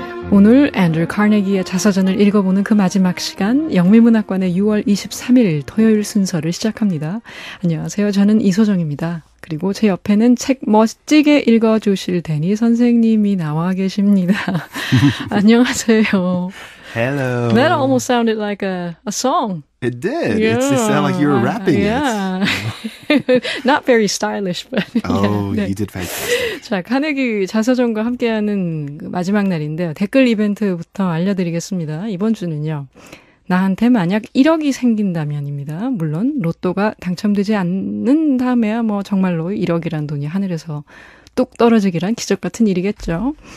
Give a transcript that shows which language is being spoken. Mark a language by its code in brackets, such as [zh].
[ko] 오늘 앤드류 카네기의 자서전을 읽어보는 그 마지막 시간, 영미문학관의 6월 23일 토요일 순서를 시작합니다. 안녕하세요. 저는 이소정입니다. 그리고 제 옆에는 책 멋지게 읽어주실 데니 선생님이 나와 계십니다. 안녕하세요. [en] Hello. That almost sounded like a song. It did. Yeah. It sounded like you were rapping it. Not very stylish, but. Oh, yeah. You did fantastic. [ko] 자, 카네기 자서전과 함께하는 마지막 날인데요. 댓글 이벤트부터 알려드리겠습니다. 이번 주는요. 나한테 만약 1억이 생긴다면입니다. 물론 로또가 당첨되지 않는 다음에야 뭐 정말로 1억이란 돈이 하늘에서 뚝 떨어지기란 기적 같은 일이겠죠.